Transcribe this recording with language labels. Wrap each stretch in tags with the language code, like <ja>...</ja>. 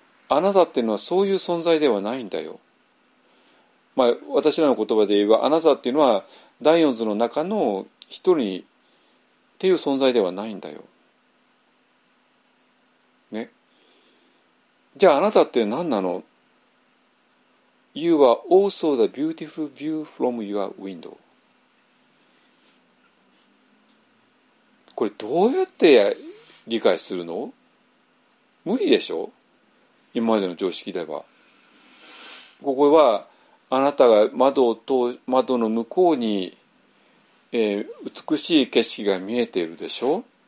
<ja>あなたっていうのはそういう存在ではないんだよ。まあ私らの言葉で言えばあなたっていうのは第四図の中の一人っていう存在ではないんだよ。ね。じゃああなたって何なの？</ja> <en>You are also the beautiful view from your window.</en> <ja>これどうやって理解するの？無理でしょ？今までの常識では。ここはあなたが窓の向こうに、美しい景色が見えているでしょ？</ja>